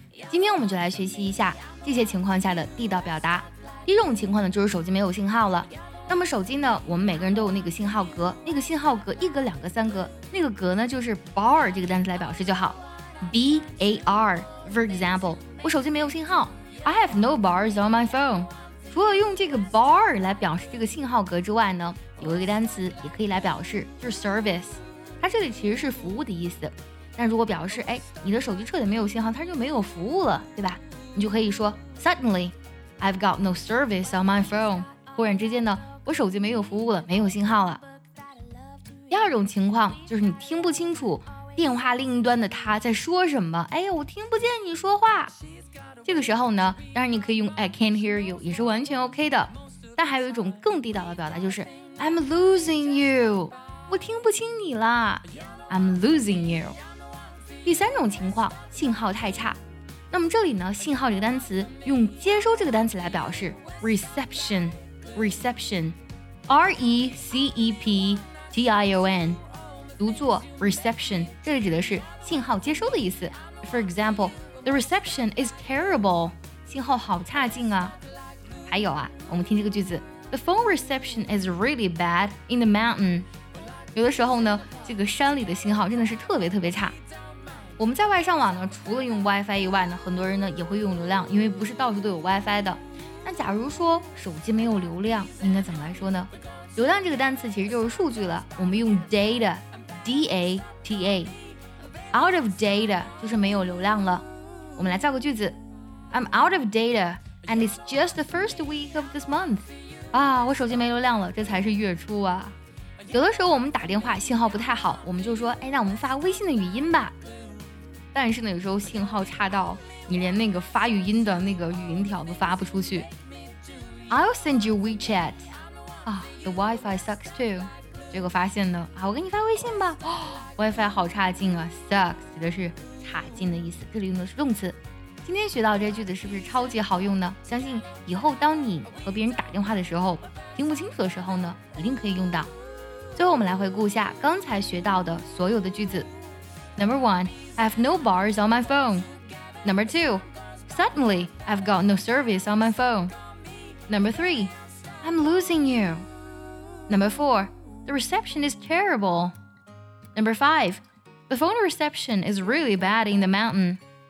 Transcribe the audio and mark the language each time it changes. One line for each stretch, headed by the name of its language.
Chinese: 今天我们就来学习一下这些情况下的地道表达。第一种情况呢，就是手机没有信号了。那么手机呢，我们每个人都有那个信号格，那个信号格一格、两格、三格，那个格呢就是 bar 这个单词来表示就好。 B-A-R,
English: for example,
Chinese: 我手机没有信号。
English: I have no bars on my phone.
Chinese: 除了用这个 bar 来表示这个信号格之外呢，有一个单词也可以来表示，就是 service。它这里其实是服务的意思。但如果表示，哎，你的手机彻底没有信号，它就没有服务了，对吧？你就可以说
English: Suddenly, I've got no service on my phone.
Chinese: 忽然之间呢，我手机没有服务了，没有信号了。第二种情况就是你听不清楚电话另一端的他在说什么，哎呀，我听不见你说话。这个时候呢，当然你可以用
English: I can't hear you
Chinese: 也是完全 OK 的。但还有一种更地道的表达，就是
English: I'm losing you，
Chinese: 我听不清你了。
English: I'm losing you。
Chinese: 第三种情况，信号太差。那么这里呢，信号这个单词用接收这个单词来表示， Reception， Reception， R-E-C-E-P-T-I-O-N，读作 reception， 这里指的是信号接收的意思。
English: For example, the reception is terrible，
Chinese: 信号好差劲啊。还有啊，我们听这个句子，
English: the phone reception is really bad in the mountain。
Chinese: 有的时候呢，这个山里的信号真的是特别特别差。我们在外上网呢，除了用 WiFi 以外呢，很多人呢也会用流量，因为不是到处都有 WiFi 的。那假如说手机没有流量，应该怎么来说呢？流量这个单词其实就是数据了，我们用 data。 D-A-T-A
English: Out of data
Chinese: 就是没有流量了。我们来造个句子，
English: I'm out of data and it's just the first week of this month。
Chinese: 啊，我手机没流量了，这才是月初啊。有的时候我们打电话信号不太好，我们就说，哎，那我们发微信的语音吧。但是呢，有时候信号差到你连那个发语音的那个语音条都发不出去。
English: I'll send you WeChat。 啊， the Wi-Fi sucks too。
Chinese: 结果发现呢，啊，我给你发微信吧，哦，WiFi 好差劲啊。 Sucks 指的是差劲的意思，这里用的是动词。今天学到这句子是不是超级好用呢？相信以后当你和别人打电话的时候听不清楚的时候呢，一定可以用到。最后我们来回顾一下刚才学到的所有的句子。
English: Number one, I have no bars on my phone. Number two, suddenly I've got no service on my phone. Number three, I'm losing you. Number four,The reception is terrible. Number five, the phone reception is really bad in the mountain.